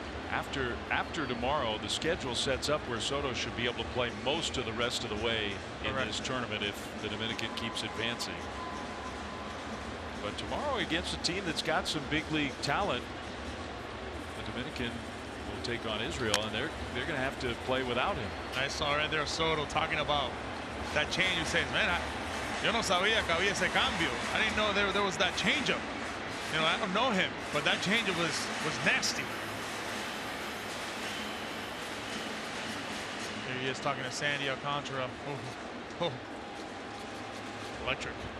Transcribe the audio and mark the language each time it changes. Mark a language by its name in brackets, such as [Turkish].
[English] After tomorrow, the schedule sets up where Soto should be able to play most of the rest of the way in this tournament if the Dominican keeps advancing. But tomorrow against a team that's got some big league talent, the Dominican will take on Israel, and they're going to have to play without him. I saw right there Soto talking about that change. He says, man, [Spanish] yo no sabía que había ese cambio. [English] I didn't know there was that changeup. You know, I don't know him, but that changeup was nasty. There he is talking to Sandy Alcantara. Oh. Electric.